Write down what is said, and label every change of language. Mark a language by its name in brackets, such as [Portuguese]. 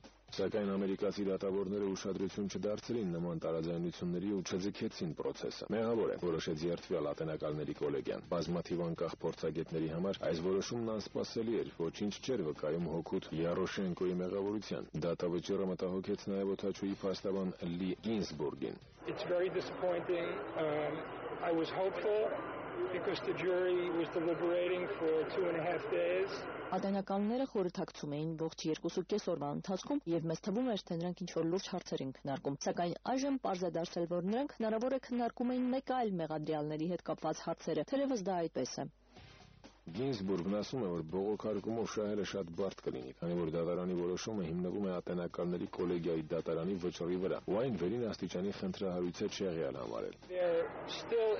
[Armenian] Սակայն ամերիկացի դատավորները ուշադրություն չդարձրին նման տարաձայնությունների ու չձգեցին պրոցեսը։ Մեղավոր է, որոշեց երթվյալ ատենակալների կոլեգիան։ Բազմաթիվ անկախ փորձագետների համար այս որոշումն անսպասելի էր, ոչինչ չէր վկայում հոգուտ Յարոշենկոյի մեղավորության։ Դատավճիռը մտահոգեց նաև Օթաչուի փաստաբան Լի Գինսբուրգին։ [English] It's very disappointing. I was hopeful because the jury was deliberating for 2.5 days. [Armenian] Ատենակալները խորհրդակցում էին ողջ 2.5 օրվա ընթացքում, և մեզ թվում էր, թե նրանք ինչ-որ լուրջ հարցեր են քննարկում, սակայն այժմ պարզադարձել, որ նրանք հնարավոր է քննարկում էին մեկ այլ մեղադրյալների հետ կապված հարցերը, թերևս դա այդպես է։ Գինսբուրգն ասում է, որ բողոքարկումով շահելը շատ բարդ կլինի, քանի որ դատարանի որոշումը հիմնվում է ատենակալների կոլեգիայի դատարանի վճռի վրա, ու այն վերին աստիճանի խնդրահարույց է չեղյալ համարել։